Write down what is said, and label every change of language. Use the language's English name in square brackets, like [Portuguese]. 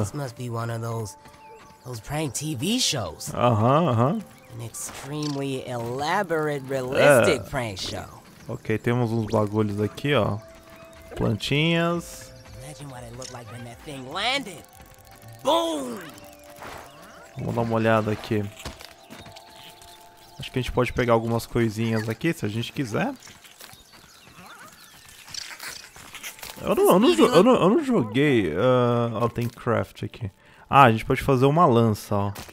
[English] This must be one of those prank TV shows. Aham. An extremely elaborate realistic prank show. [Portuguese] Ok, temos uns bagulhos aqui, ó. Plantinhas. [English] Imagine what it looked like when that thing landed. Boom! [Portuguese] Vamos dar uma olhada aqui. Acho que a gente pode pegar algumas coisinhas aqui, se a gente quiser. Eu não joguei. Ó, tem craft aqui. Ah, a gente pode fazer uma lança, ó.